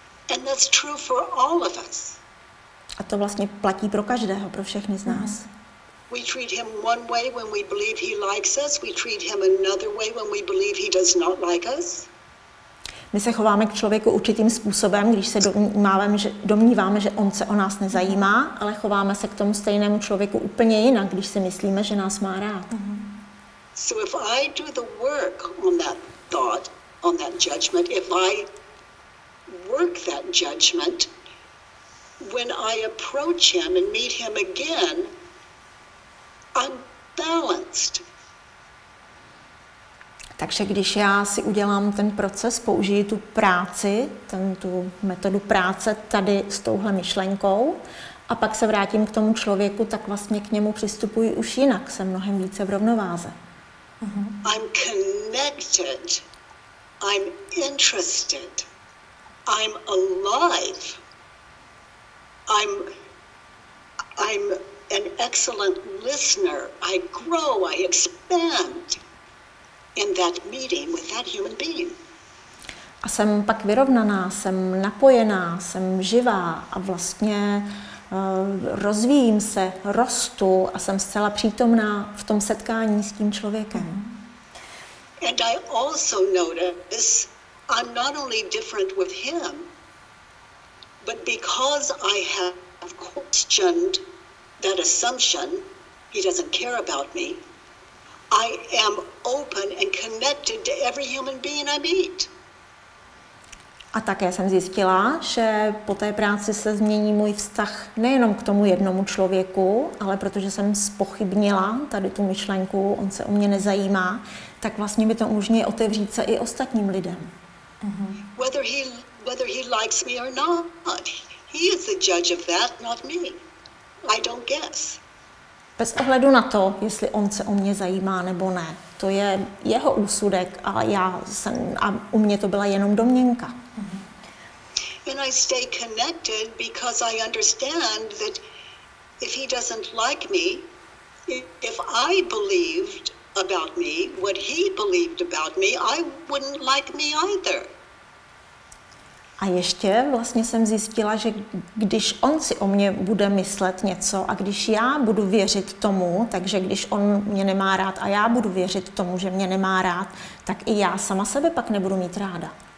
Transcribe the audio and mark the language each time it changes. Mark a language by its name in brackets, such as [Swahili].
[English] And that's true for all of us. [Czech] A to vlastně platí pro každého, pro všechny z nás. [English] We treat him one way when we believe he likes us, we treat him another way when we believe he does not like us. [Czech] My se chováme k člověku určitým způsobem, když se domníváme, že on se o nás nezajímá, ale chováme se k tomu stejnému člověku úplně jinak, když si myslíme, že nás má rád. [English] So if I do the work on that thought, on that judgment, if I work that judgment, when I approach him and meet him again, I'm balanced. [Czech] Takže když já si udělám ten proces, použiji tu práci, tu metodu práce tady s touhle myšlenkou a pak se vrátím k tomu člověku, tak vlastně k němu přistupuji už jinak, jsem mnohem více v rovnováze. [English] I'm connected. I'm interested. I'm alive. I'm an excellent listener. I grow, I expand. In that meeting with that human being. [Czech] A jsem pak vyrovnaná, jsem napojená, jsem živá a vlastně rozvíjím se, rostu a jsem zcela přítomná v tom setkání s tím člověkem. [English] And I also notice I'm not only different with him, but because I have questioned that assumption, he doesn't care about me. I am open and connected to every human being I meet. [Czech] A také jsem zjistila, že po té práci se změní můj vztah nejenom k tomu jednomu člověku, ale protože jsem spochybnila tady tu myšlenku, on se o mě nezajímá, tak vlastně mi to umožňuje otevřít se i ostatním lidem. Mm-hmm. [English] Whether he likes me or not, he is the judge of that, not me. I don't guess. [Czech] Bez ohledu na to, jestli on se o mě zajímá nebo ne, to je jeho úsudek a já jsem, a u mě to byla jenom domněnka. [English] And I stay connected because I understand that if he doesn't like me, if I believed about me what he believed about me, I wouldn't like me either. [Czech] A ještě vlastně jsem zjistila, že když on si o mě bude myslet něco a když já budu věřit tomu, takže když on mě nemá rád a já budu věřit tomu, že mě nemá rád, tak i já sama sebe pak nebudu mít ráda.